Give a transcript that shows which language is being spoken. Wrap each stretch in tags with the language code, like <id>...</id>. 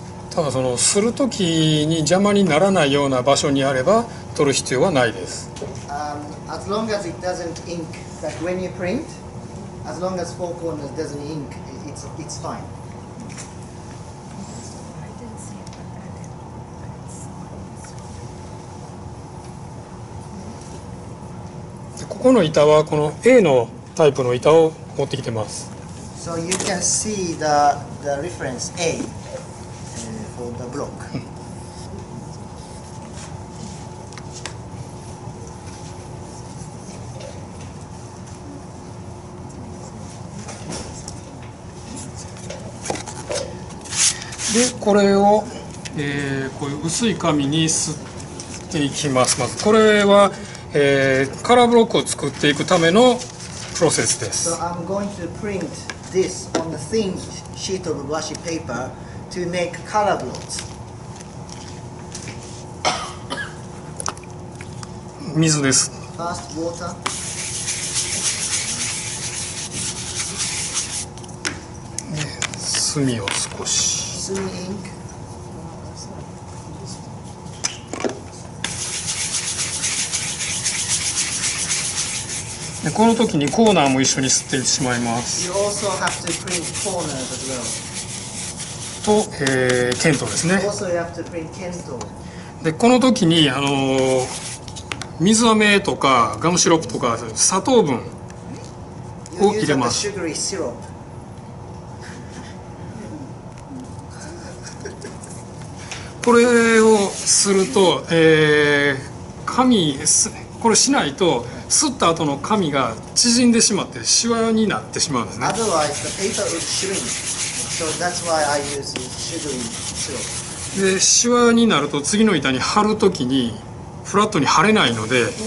<ja>ただそのするときに邪魔にならないような場所にあれば取る必要はないです。</ja> <en>As long as it doesn't ink, like when you print, as long as four corners doesn't ink, it's fine.</en> <ja>この板はこの A のタイプの板を持ってきてます。</ja> <en>So you can see the reference A for the block.</en> <ja>でこれを、こういう薄い紙に吸っていきます。まずこれは。カラーブロックを作っていくためのプロセスです。</ja> <en>So I'm going to print this on a thin sheet of washi paper to make color blocks.</en> <ja>水です。</ja> <en>First water.</en> <ja>墨を少し。</ja> <en>墨 ink.</en> <ja>この時にコーナーも一緒に吸ってしまいます。</ja> <en>You also have to print corners as well.</en> <ja>と、ケントですね。</ja> <en>Also you have to print kento.</en> <ja>でこの時に水飴とかガムシロップとか砂糖分を入れます。これをすると、紙これしないと吸った後の紙が縮んでしまってシワになってしまうんですね。</ja> <en>Otherwise the paper would shrink. So that's why I use sugary syrup.</en> <ja>でシワになると次の板に貼るときにフラットに貼れないので、</ja>